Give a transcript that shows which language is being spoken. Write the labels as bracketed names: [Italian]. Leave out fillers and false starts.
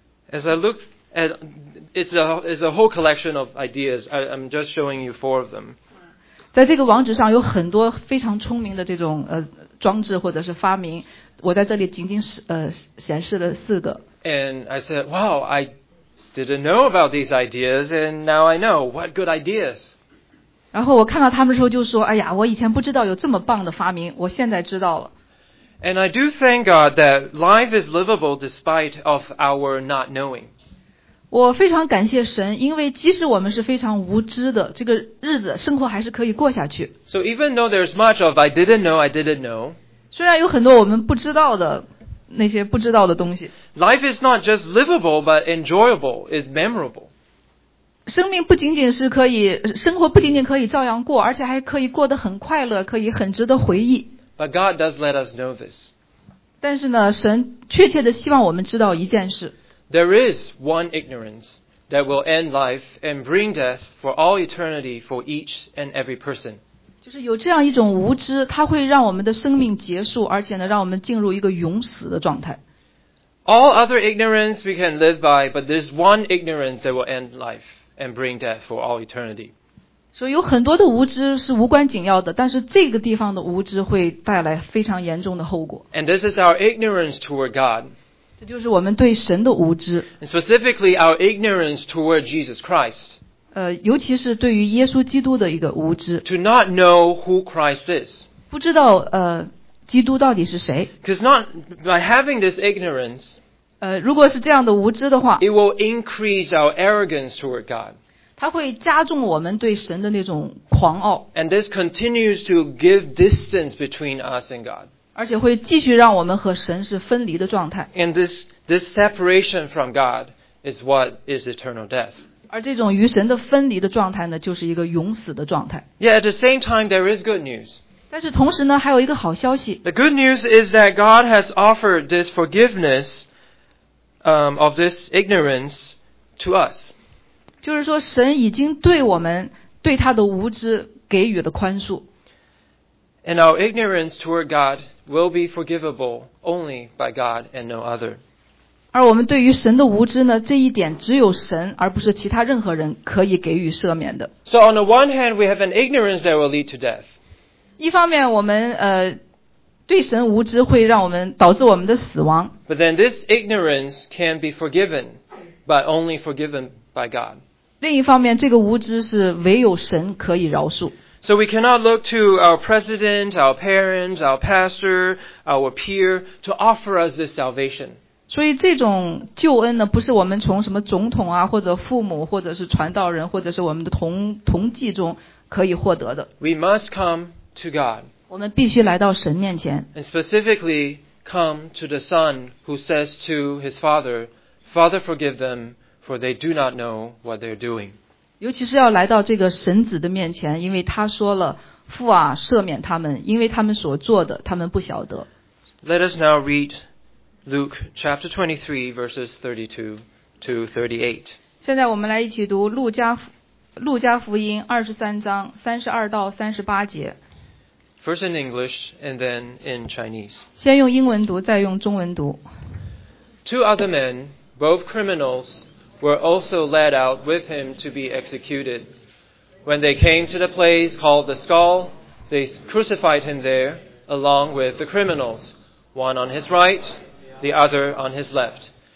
[English] ？As I look at it's a whole collection of ideas. I'm just showing you 4 of them. [Chinese] 在这个网址上有很多非常聪明的这种装置或者是发明，我在这里仅仅显示了四个。 [English] And I said, "Wow, I didn't know about these ideas, and now I know. What good ideas! [Chinese] 然后我看到他们的时候就说，哎呀，我以前不知道有这么棒的发明，我现在知道了。 [English] And I do thank God that life is livable despite of our not knowing. [Chinese] 我非常感谢神，因为即使我们是非常无知的，这个日子生活还是可以过下去。 [English] So even though there's much of I didn't know, I didn't know. [Chinese] 虽然有很多我们不知道的那些不知道的东西。 [English] Life is not just livable, but enjoyable, is memorable. [Chinese] 生命不仅仅是可以，生活不仅仅可以照样过，而且还可以过得很快乐，可以很值得回忆。 [English] But God does let us know this. [Chinese] 但是呢，神确切地希望我们知道一件事。 [English] There is one ignorance that will end life and bring death for all eternity for each and every person. [Chinese] 就是有这样一种无知，它会让我们的生命结束，而且呢，让我们进入一个永死的状态。 [English] All other ignorance we can live by, but there's one ignorance that will end life and bring death for all eternity. [Chinese] 所以有很多的无知是无关紧要的，但是这个地方的无知会带来非常严重的后果。 [English] And this is our ignorance toward God. [Chinese] 这就是我们对神的无知。 [English] And specifically, our ignorance toward Jesus Christ. [Chinese] 尤其是对于耶稣基督的一个无知。 [English] To not know who Christ is. [Chinese] 不知道基督到底是谁。 [English] Because not by having this ignorance. [Chinese] 如果是这样的无知的话。 [English] It will increase our arrogance toward God. [Chinese] 它会加重我们对神的那种狂傲。 [English] And this continues to give distance between us and God. [Chinese] 而且会继续让我们和神是分离的状态。 [English] And this separation from God is what is eternal death. [Chinese] 而这种与神的分离的状态呢，就是一个永死的状态。 [English] Yet at the same time, there is good news. [Chinese] 但是同时呢，还有一个好消息。 [English] The good news is that God has offered this forgiveness, of this ignorance to us. [Chinese] 就是说，神已经对我们对他的无知给予了宽恕。 [English] And our ignorance toward God will be forgivable only by God and no other. [Chinese] 而我们对于神的无知呢，这一点只有神，而不是其他任何人可以给予赦免的。 [English] So on the one hand, we have an ignorance that will lead to death. [Chinese] 一方面，我们对神无知会让我们导致我们的死亡。 [English] But then this ignorance can be forgiven, but only forgiven by God. [Chinese] 另一方面，这个无知是唯有神可以饶恕。 [English] So we cannot look to our president, our parents, our pastor, our peer to offer us this salvation. [Chinese] 所以这种救恩呢，不是我们从什么总统啊，或者父母，或者是传道人，或者是我们的同济中可以获得的。 [English] We must come to God. [Chinese] 我们必须来到神面前。 [English] And specifically, come to the Son who says to his Father, "Father, forgive them, for they do not know what they're doing." [Chinese] 尤其是要来到这个神子的面前，因为他说了，父啊，赦免他们，因为他们所做的，他们不晓得。 [English] Let us now read Luke chapter 23, verses 32 to 38. [Chinese] 现在我们来一起读路加福音23章32到38节。 [English] First in English and then in Chinese. [Chinese] 先用英文读，再用中文读。 [English] Two other men, both criminals,were also led out with him to be executed. When they came to the place called the Skull, they crucified him there, along with the criminals, one on his right, the other on his left.